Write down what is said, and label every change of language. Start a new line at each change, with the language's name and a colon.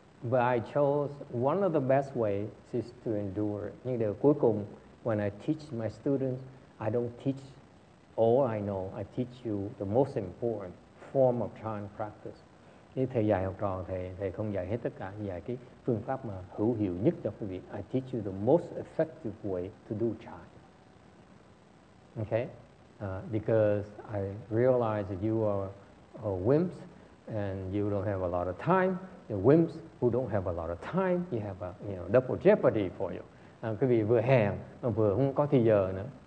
English: But I chose one of the best ways is to endure.
Vietnamese: Nhưng điều cuối cùng,
English: when I teach my students, I don't teach all I know. I teach you the most important form of chan practice.
Vietnamese: Nếu thầy dạy học trò, thầy không dạy hết tất cả, dạy cái phương pháp mà hữu hiệu nhất cho quý vị.
English: I teach you the most effective way to do chan. Okay? Because I realize that you are a wimps and you don't have a lot of time. The wimps who don't have a lot of time, you have a double jeopardy for you.
Vietnamese: Quý vị vừa hèn vừa không có thời giờ nữa.